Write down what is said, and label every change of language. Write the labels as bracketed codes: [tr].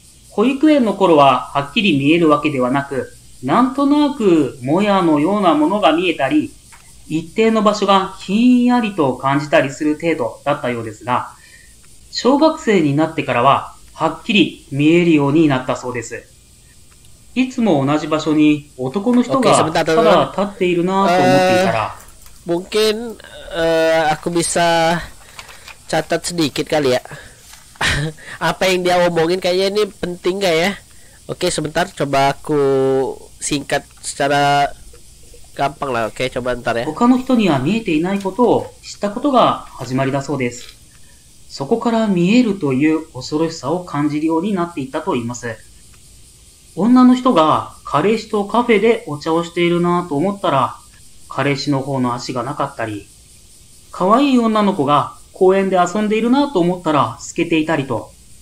[ja] 保育園の頃ははっきり見えるわけではなく、なんとなくもやのようなものが見えたり、一定の場所がひんやりと感じたりする程度だったようですが、小学生になってからははっきり見えるようになったそうです。いつも同じ場所に男の人がただ立っているなと思っていたら、 [id] mungkin aku bisa catat sedikit kali ya. Apa yang dia omongin kayaknya ini penting nggak ya? Oke, sebentar, coba aku singkat secara gampang lah. Oke, coba ntar ya. [ja] 他の人には見えていないことを知ったことが始まりだそうです。そこから見えるという恐ろしさを感じるようになっていったといいます。女の人が彼氏とカフェでお茶をしているなと思ったら、彼氏の方の足がなかったり、可愛い女の子が公園で遊んでいるなと思ったら透けていたりと。